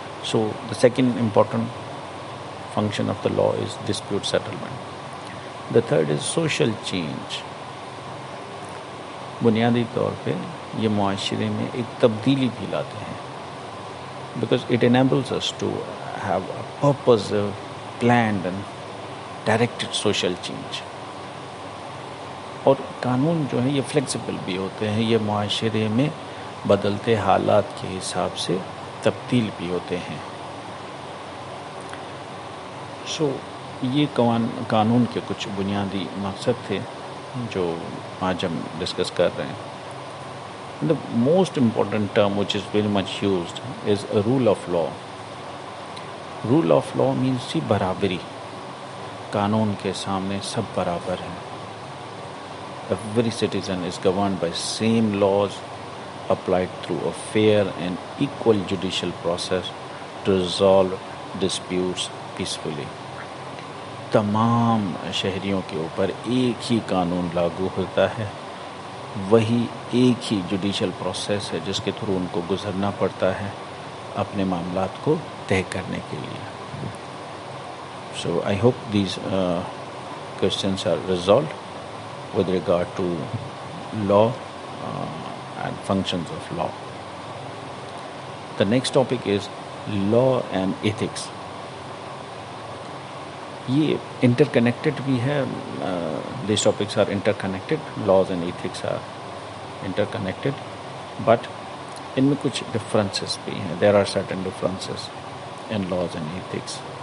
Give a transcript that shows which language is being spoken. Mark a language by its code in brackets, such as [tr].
[en] So the second important function of the law is dispute settlement. The third is social change. [ur] بنیادی طور پہ یہ معاشرے میں ایک تبدیلی بھی لاتے ہیں [en] Because it enables us to have a purpose planned and directed social change. [ur] اور قانون جو ہیں یہ فلیکسیبل بھی ہوتے ہیں, یہ معاشرے میں بدلتے حالات کے حساب سے تبدیل بھی ہوتے ہیں. سو یہ قانون کے کچھ بنیادی مقصد تھے جو آج ہم ڈسکس کر رہے ہیں. [en] The most important term which is very much used is rule of law. Rule of law means [ur] he برابری, قانون کے سامنے سب برابر ہیں. [en] Every citizen is governed by same laws applied through a fair and equal judicial process to resolve disputes peacefully. [ur] تمام شہریوں کے اوپر ایک ہی قانون لاگو ہوتا ہے, وہی ایک ہی جوڈیشل پروسیس ہے جس کے تھرو ان کو گزرنا پڑتا ہے اپنے معاملات کو طے کرنے کے لیے. [en] So I hope these questions are resolved with regard to law and functions of law. The next topic is law and ethics. [ur] یہ انٹر کنیکٹڈ بھی ہے, [en] these topics are interconnected, laws and ethics are interconnected, but [ur] in میں کچھ differences بھی ہیں. [en] There are certain differences in laws and ethics.